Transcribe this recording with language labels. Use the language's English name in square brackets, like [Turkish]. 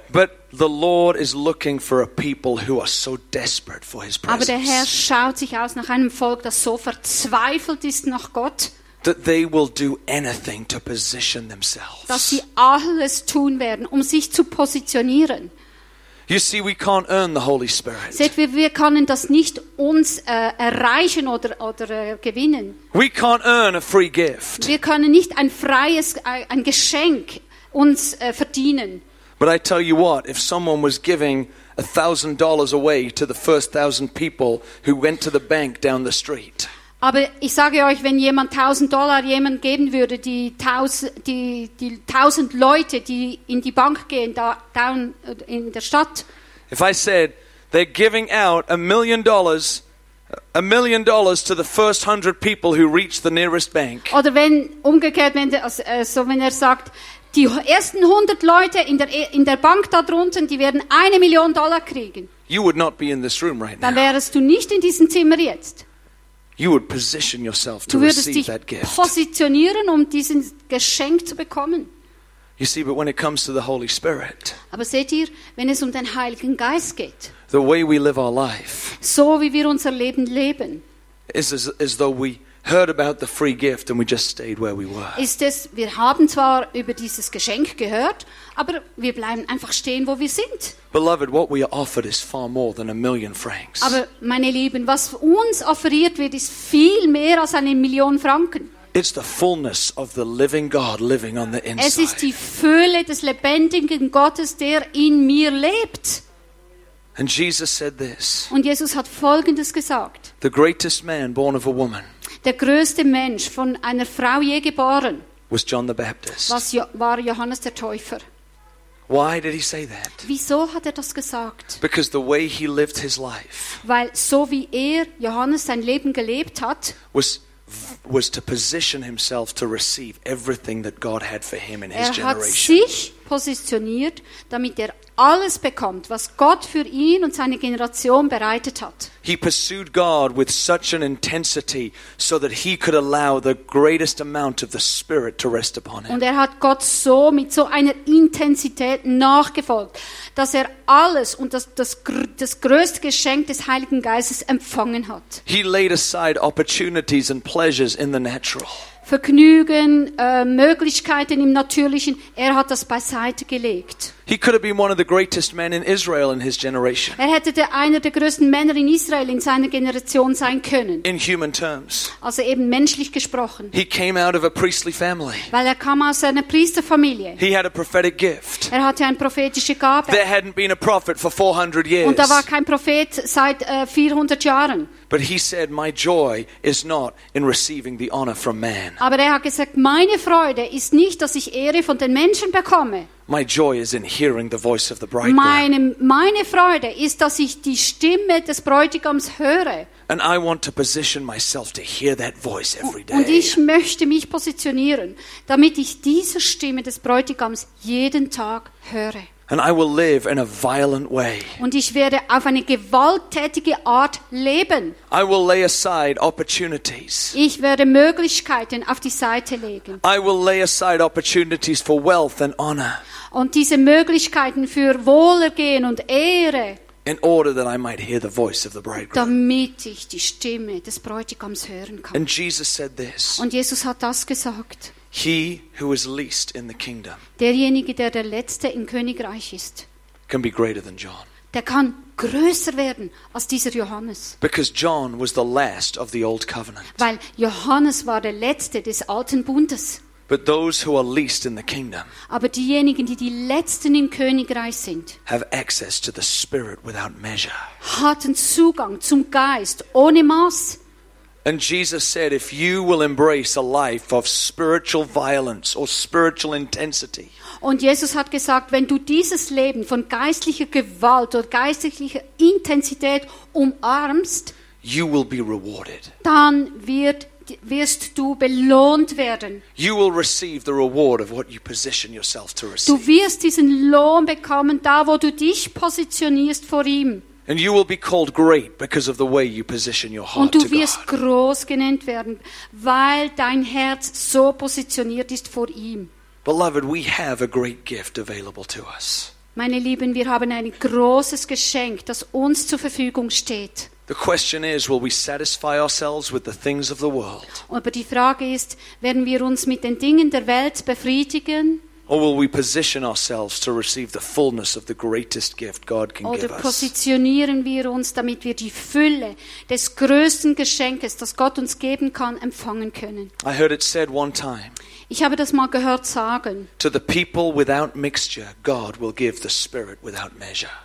[English] But the Lord is looking for a people who are so desperate for his presence. [German] Aber der Herr schaut sich aus nach einem Volk, das so verzweifelt ist nach Gott. [English] That they will do anything to position themselves. [German] Dass sie alles tun werden, um sich zu positionieren. [English] You see, we can't earn the Holy Spirit. [German] Seht, wir können das nicht uns erreichen oder gewinnen. [English] We can't earn a free gift. [German] Wir können nicht ein freies ein Geschenk uns verdienen. [English] But I tell you what, if someone was giving $1,000 away to the first 1,000 people who went to the bank down the street. [German] Aber ich sage euch, wenn jemand $1,000 jemand geben würde, die 1,000 Leute, die in die Bank gehen, da [English] down [German] in der Stadt. [English] If I said, they're giving out $1,000,000 to the first 100 people who reach the nearest bank. [German] Oder wenn umgekehrt, wenn er sagt, die ersten 100 Leute in der Bank da drunten, die werden $1,000,000 kriegen. [English] You would not be in this room right now. [German] Dann wärst du nicht in diesem Zimmer jetzt. [English] You would position yourself to receive that gift. [German] Du würdest dich positionieren, um dieses Geschenk zu bekommen. [English] You see, but when it comes to the Holy Spirit, [German] aber seht ihr, wenn es um den Heiligen Geist geht, [English] the way we live our life, [German] so wie wir unser Leben leben, [English] is though we heard about the free gift and we just stayed where we were. [German] Ist es, wir haben zwar über dieses Geschenk gehört, aber wir bleiben einfach stehen, wo wir sind. [English] Beloved, what we are offered is far more than $1,000,000. [German] Aber meine Lieben, was uns offeriert wird, ist viel mehr als 1,000,000 Franken. [English] It's the fullness of the living God living on the inside. [German] Es ist die Fülle des lebendigen Gottes, der in mir lebt. [English] And Jesus said this. [German] Und Jesus hat Folgendes gesagt. [English] The greatest man born of a woman. [German] Der größte Mensch von einer Frau je geboren. [English] Was John the Baptist. [German] War Johannes der Täufer. [English] Why did he say that? [German] Wieso hat er das gesagt? [English] Because the way he lived his life. [German] Weil so wie Johannes sein Leben gelebt hat. [English] Was to position himself to receive everything that God had for him in his generation. [German] Er hat sich positioniert, damit er alles bekommt, was Gott für ihn und seine Generation bereitet hat. [English] He pursued God with such an intensity, so that he could allow the greatest amount of the Spirit to rest upon him. [German] Und er hat Gott so mit so einer Intensität nachgefolgt, dass er alles und das größte Geschenk des Heiligen Geistes empfangen hat. [English] He laid aside opportunities and pleasures in the natural. [German] Vergnügen, Möglichkeiten im Natürlichen, er hat das beiseite gelegt. [English] He could have been one of the greatest men in Israel in his generation. [German] Er hätte einer der größten Männer in Israel in seiner Generation sein können. [English] In human terms. [German] Also eben menschlich gesprochen. [English] He came out of a priestly family. [German] Weil er kam aus einer Priesterfamilie. [English] He had a prophetic gift. [German] Er hatte eine prophetische Gabe. [English] There hadn't been a prophet for 400 years. [German] Und da war kein Prophet seit 400 Jahren. [English] But he said, "My joy is not in receiving the honor from man." [German] Aber er hat gesagt, meine Freude ist nicht, dass ich Ehre von den Menschen bekomme. [English] My joy is in hearing the voice of the bridegroom. [German] Meine Freude ist, dass ich die Stimme des Bräutigams höre. [English] And I want to position myself to hear that voice every day. [German] Und ich möchte mich positionieren, damit ich diese Stimme des Bräutigams jeden Tag höre. [English] And I will live in a violent way. [German] Und ich werde auf eine gewalttätige Art leben. [English] I will lay aside opportunities. [German] Ich werde Möglichkeiten auf die Seite legen. [English] I will lay aside opportunities for wealth and honor. [German] Und diese Möglichkeiten für Wohlergehen und Ehre. [English] In order that I might hear the voice of the bridegroom. [German] Damit ich die Stimme des Bräutigams hören kann. [English] And Jesus said this. [German] Und Jesus hat das gesagt. [English] He who is least in the kingdom. [German] Derjenige, der der letzte im Königreich ist. [English] Can be greater than John. [German] Der kann größer werden als dieser Johannes. [English] Because John was the last of the old covenant. [German] Weil Johannes war der letzte des alten Bundes. [English] But those who are least in the kingdom. [German] Aber diejenigen, die die letzten im Königreich sind. [English] Have access to the Spirit without measure. [German] Hatten Zugang zum Geist ohne Maß. [English] And Jesus said, if you will embrace a life of spiritual violence or spiritual intensity. [German] Und Jesus hat gesagt, wenn du dieses Leben von geistlicher Gewalt oder geistlicher Intensität umarmst, [English] you will be rewarded. [German] Dann wirst du belohnt werden. [English] You will receive the reward of what you position yourself to receive. [German] Du wirst diesen Lohn bekommen, da wo du dich positionierst vor ihm. [English] And you will be called great because of the way you position your heart. [German] Und du wirst groß genannt werden, weil dein Herz so positioniert ist vor ihm. [English] Beloved, we have a great gift available to us. [German] Meine Lieben, wir haben ein großes Geschenk, das uns zur Verfügung steht. [English] The question is, will we satisfy ourselves with the things of the world? [German] Aber die Frage ist, werden wir uns mit den Dingen der Welt befriedigen? [English] Or will we position ourselves to receive the fullness of the greatest gift God can give us? [German] Oder positionieren wir uns, damit wir die Fülle des größten Geschenkes, das Gott uns geben kann, empfangen können? [English] I heard it said one time. [German] Ich habe das mal gehört sagen. [English] To the people without mixture, God will give the Spirit without measure.